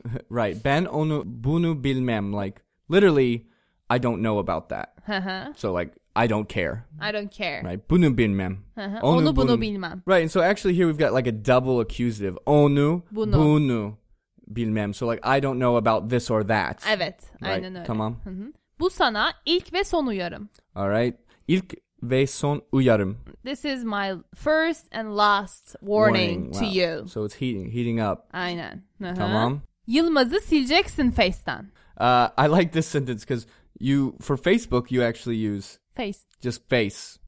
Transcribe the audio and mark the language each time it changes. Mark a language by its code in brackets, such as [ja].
[en] Right, [tr] ben onu bunu bilmem. [en] Like, literally, I don't know about that. Uh-huh. So like, I don't care. Right, [tr] bunu bilmem. Uh-huh. Onu bunu bilmem. [en] Right, and so actually here we've got like a double accusative. [tr] Onu bunu bilmem. [en] So like, I don't know about this or that. [tr] Evet, right. Aynen öyle. Tamam. Uh-huh. Bu sana ilk ve son uyarım. All right. İlk ve son uyarım. [en] This is my first and last warning to you. So it's heating up. [tr] Aynen. Uh-huh. Tamam. Yılmazı sileceksin Face'ten. [en] I like this sentence because you, for Facebook, you actually use face. Just face.